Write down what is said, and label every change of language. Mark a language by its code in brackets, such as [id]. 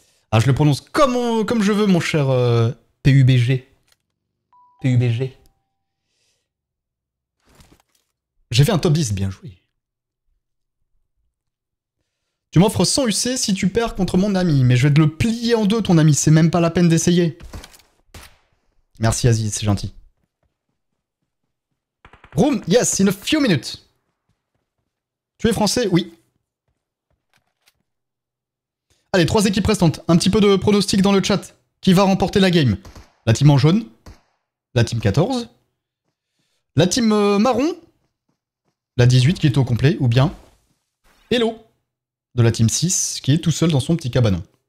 [fr] Ah, je le prononce comme je veux, mon cher PUBG. PUBG. J'ai fait un top 10, bien joué. Tu m'offres 100 UC si tu perds contre mon ami, mais je vais te le plier en deux, ton ami, c'est même pas la peine d'essayer. Merci Aziz, c'est gentil. [en] Room, yes, in a few minutes. [fr] Tu es français? Oui. Allez, trois équipes restantes. Un petit peu de pronostic dans le chat. Qui va remporter la game? La team en jaune? La team 14? La team marron? La 18 qui est au complet, ou bien Hello de la team 6 qui est tout seul dans son petit cabanon.